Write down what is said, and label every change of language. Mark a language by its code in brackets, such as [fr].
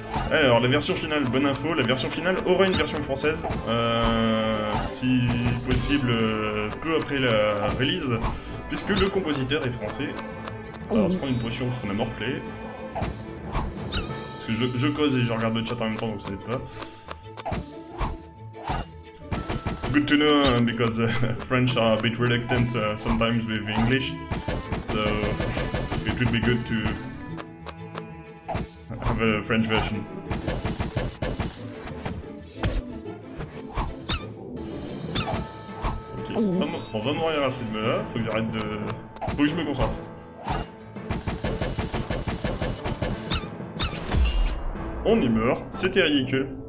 [fr] Alors, la version finale, bonne info, la version finale aura une version française, si possible, peu après la release, puisque le compositeur est français. Alors, on se prend une potion parce qu'on a morflé. Parce que je cause et je regarde le chat en même temps, donc ça n'aide pas. [en] Good to know, because French are a bit reluctant sometimes with English. So, it would be good to have a French version. [fr] Ok, on va mourir à cette meule-là. Faut que j'arrête de. Faut que je me concentre. On est mort, c'était ridicule.